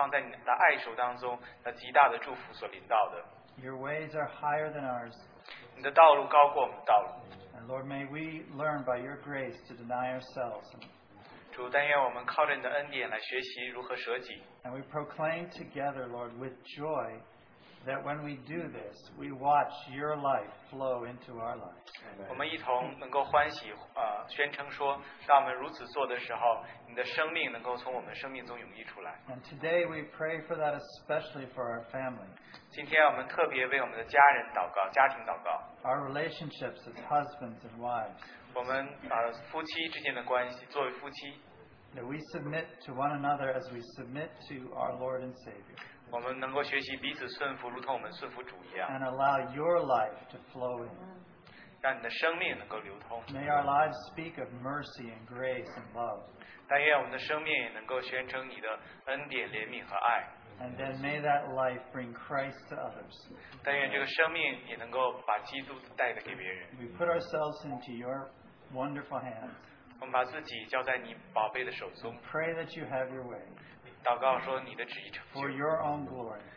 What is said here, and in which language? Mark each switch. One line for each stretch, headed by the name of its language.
Chinese: 我们感谢你,当我们真的把我们自己放在你的爱手当中, 那极大的祝福所临到的。
English: Your ways are higher than ours.
Chinese: 你的道路高过我们的道路。
English: And Lord, may we learn by your grace to deny ourselves.
Chinese: 主，但愿我们靠着你的恩典来学习如何舍己。
English: And we proclaim together, Lord, with joy, that when we do this, we watch your life flow into our lives.
Chinese: 我们一同能够欢喜，宣称说， 当我们如此做的时候， 你的生命能够从我们生命中涌溢出来。
English: And today we pray for that especially for our family.
Chinese: 今天我们特别为我们的家人祷告， 家庭祷告。
English: Our relationships as husbands and wives.
Chinese: 我们, 夫妻之间的关系, 作为夫妻。
English: That we submit to one another as we submit to our Lord and Savior.
Chinese: 我们能够学习彼此顺服, 如同我们顺服主一样。
English: And allow your life to flow in.
Chinese: 让你的生命能够流通。
English: May our lives speak of mercy and grace and love.
Chinese: 但愿我们的生命能够宣称你的恩典, 怜悯和爱。
English: And then may that life bring Christ to others. We put ourselves into your wonderful hands. We pray that you have your way. For your own glory.